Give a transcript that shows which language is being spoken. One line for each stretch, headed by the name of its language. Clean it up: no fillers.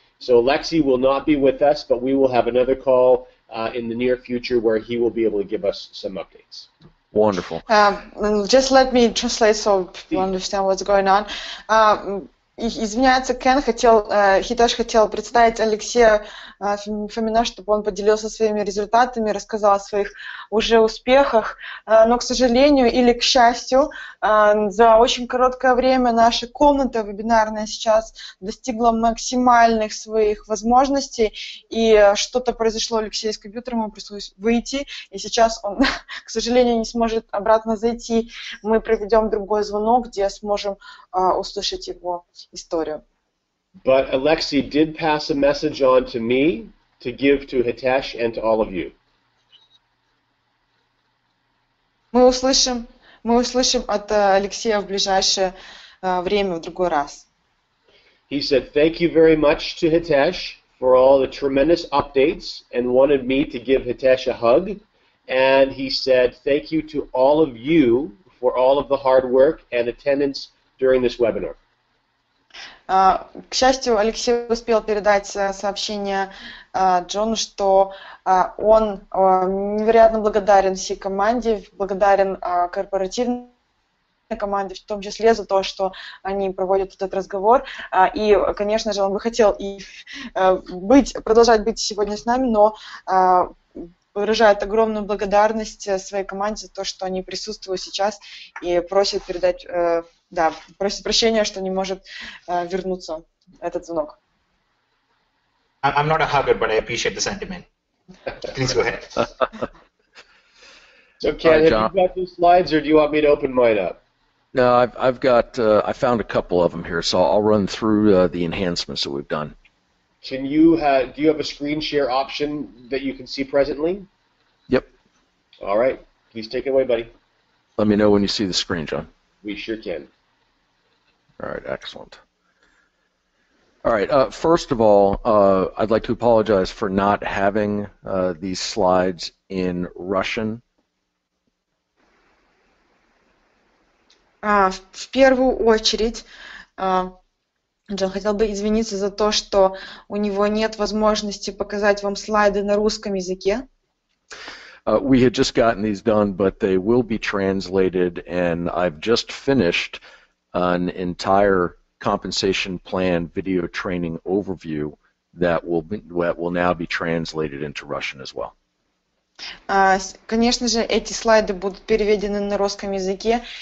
English: So Alexei will not be with us, but we will have another call in the near future where he will be able to give us some updates. Wonderful. Just let me translate so people understand what's going on.
Russian: Извиняется Кен, Хитеш хотел представить Алексея Фомина, чтобы он поделился своими результатами, рассказал о своих уже успехах, но, к сожалению или к счастью, за очень короткое время наша комната вебинарная сейчас достигла максимальных своих возможностей, и что-то произошло, Алексей с компьютером, ему пришлось выйти, и сейчас он, к сожалению, не сможет обратно зайти. Мы проведем другой звонок, где сможем услышать его историю.
English: But Alexei did pass a message on to me to give to Hitesh and to all of you.
Russian: Мы услышим от Алексея в ближайшее время, в другой раз.
English: He said thank you very much to Hitesh for all the tremendous updates and wanted me to give Hitesh a hug. And he said thank you to all of you for all of the hard work and attendance during this webinar.
Russian: К счастью, Алексей успел передать сообщение Джону, что он невероятно благодарен всей команде, благодарен корпоративной команде, в том числе за то, что они проводят этот разговор. И, конечно же, он бы хотел и продолжать быть сегодня с нами, но выражает огромную благодарность своей команде за то, что они присутствуют сейчас и просят передать... Да, просит прощения, что не может вернуться этот звонок.
English: I'm not a hugger, but I appreciate the sentiment. Please go ahead. So, Ken, have you got these slides, or do you want me to open mine up? No, I've got, I found a couple of them here, so I'll run through the enhancements that we've done. Can you do you have a screen share option that you can see presently? Yep. All right. Please take it away, buddy. Let me know when you see the screen, John. We sure can. All right, excellent. All right, first of all, I'd like to apologize for not having these slides in Russian.
Russian: В первую очередь, Джон хотел бы извиниться за то, что у него нет возможности показать вам слайды на русском языке.
English: We had just gotten these done, but they will be translated, and I've just finished an entire compensation plan video training overview that will now be translated into Russian as well.
Russian: Конечно же, эти слайды будут переведены на русском языке.